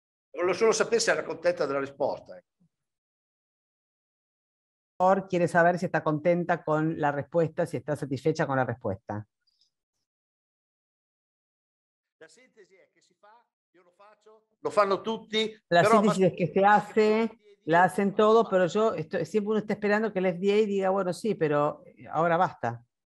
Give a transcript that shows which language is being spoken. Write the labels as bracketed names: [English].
[Italian] Volevo solo sapere se era contenta della risposta. [Spanish] Quiere saber si está contenta con la respuesta, si está satisfecha con la respuesta. [Italian] La sintesi è che si fa, io lo faccio, lo fanno tutti. La sintesi è che [Spanish] si hace, la hacen todos, pero yo estoy, siempre uno está esperando que el FDA diga, bueno, sí, pero ahora basta.